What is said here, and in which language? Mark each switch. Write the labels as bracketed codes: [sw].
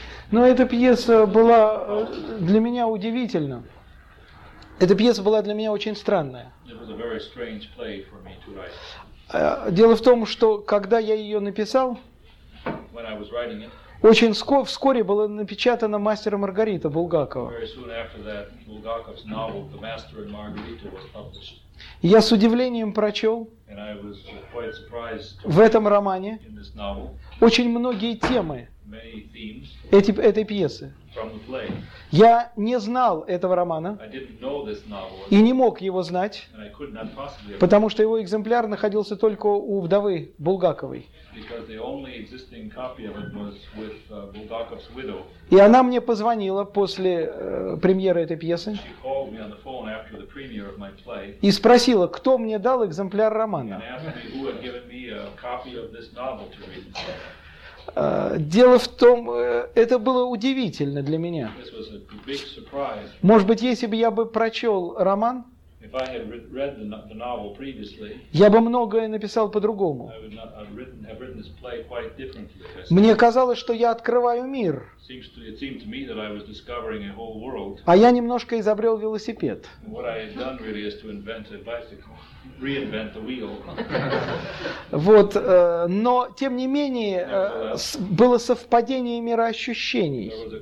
[ru] Но эта пьеса была для меня удивительна. Эта пьеса была для меня очень странная. [en] It was a very strange play for me to write. [ru] Дело в том, что когда я ее написал, [en] when I was writing it, [ru] очень вскоре было напечатано «Мастер и Маргарита» Булгакова. [en] Very soon after that, Bulgakov's novel, The Master and Margarita, was published. [ru] Я с удивлением прочел [en] and I was quite surprised to [ru] в этом романе [en] in this novel, [ru] очень многие темы [en] many themes [ru] этой пьесы. [en] From the play. [ru] Я не знал этого романа [en] I didn't know this novel, [ru] и не мог его знать, [en] and I could not possibly have [ru] потому что его экземпляр находился только у вдовы Булгаковой. [en] Because the only existing copy of it was with Bulgakov's widow. [ru] И она мне позвонила после премьеры этой пьесы. [en] She called me on the phone after the premiere of my play. [ru] И спросила, кто мне дал экземпляр романа. [en] And asked me who had given me a copy of this novel to read. [ru] Дело в том, это было удивительно для меня. [en] This was a big surprise. [ru] Может быть, если бы я бы прочел роман, [en] if I had read the novel previously, [ru] я бы многое написал по-другому. [en] Have written this play quite differently. [ru] Мне казалось, что я открываю мир. [en] It seemed to me that I was discovering a whole world. [ru] А я немножко изобрел велосипед. [en] What I had done really is to invent a bicycle, reinvent the wheel. [ru] Вот, но тем не менее было совпадение мироощущений.